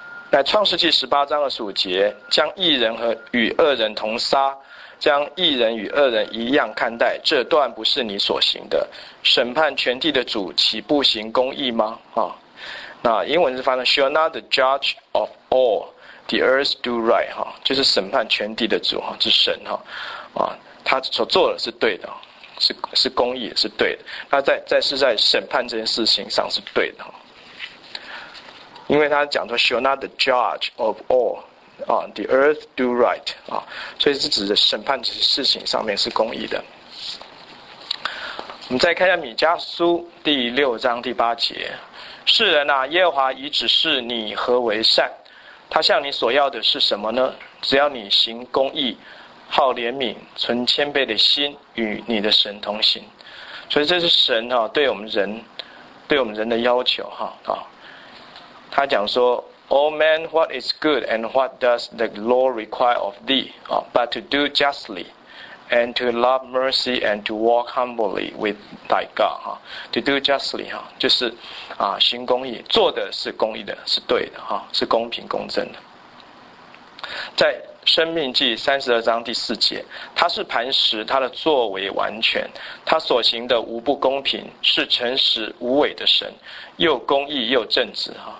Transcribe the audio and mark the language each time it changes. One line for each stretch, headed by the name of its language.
Chinese: 在创世纪18:25，将义人和与恶人同杀，将义人与恶人一样看待，这段不是你所行的。审判全地的主岂不行公义吗？那英文是翻成
English: Shall not the judge of all the earth do right？
Chinese: 就是审判全地的主，是神，他所做的是对的，是公义，是对的。他再是在审判这件事情上是对的，因为他讲说
English: Shall not the judge of all the earth do right，
Chinese: 所以是指的审判事情上面是公义的。我们再看一下米迦书6:8，世人啊，耶和华已指示你何为善，他向你所要的是什么呢？只要你行公义，好怜悯，存谦卑的心，与你的神同行。所以这是神对我们人，对我们人的要求。他讲说，
English: All men, what is good and what does the Lord require of thee, but to do justly and to love mercy and to walk humbly with thy God. To do justly,
Chinese: 就是行公义，做的是公义的，是对的，是公平公正的。在生命记32:4，他是磐石，他的作为完全，他所行的无不公平，是诚实无伪的神，又公义又正直。